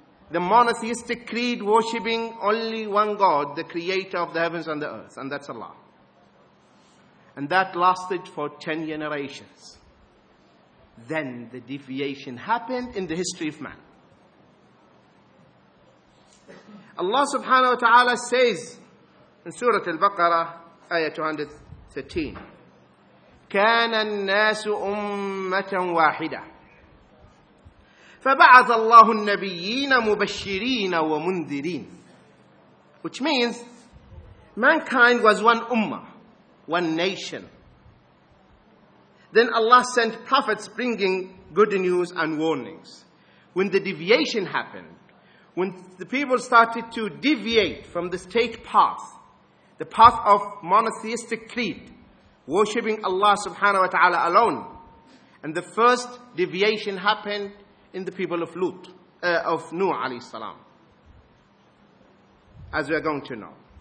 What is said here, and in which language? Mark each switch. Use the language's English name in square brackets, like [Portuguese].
[English] The monotheistic creed worshipping only one God, the creator of the heavens and the earth, and that's Allah. And that lasted for 10 generations. Then the deviation happened in the history of man. Allah subhanahu wa ta'ala says in Surah Al-Baqarah, ayah 213, [Arabic] كان الناس أمة واحدة فبعث الله النبيين مبشرين ومنذرين. [English] Which means, mankind was one ummah, one nation. Then Allah sent prophets bringing good news and warnings. When the deviation happened, when the people started to deviate from the straight path, the path of monotheistic creed, worshipping Allah subhanahu wa ta'ala alone, and the first deviation happened in the people of Nuh alayhi salam, as we are going to know.